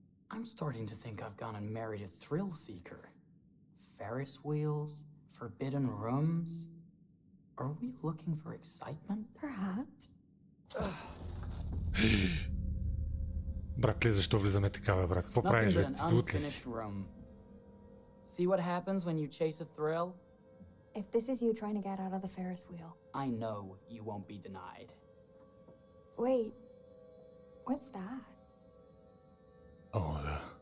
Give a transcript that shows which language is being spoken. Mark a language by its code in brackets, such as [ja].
[en] I'm starting to think I've gone and married a thrill seeker. Ferris wheels, forbidden rooms. Are we looking for excitement? Perhaps. [bg] Братле, защо влизаме така, бе, брат? Какво правиш, бе? Дуд ли си? [en] See what happens when you chase a thrill? If this is you trying to get out of the Ferris wheel, I know you won't be denied. Wait. What's that? Oh, [bg] да.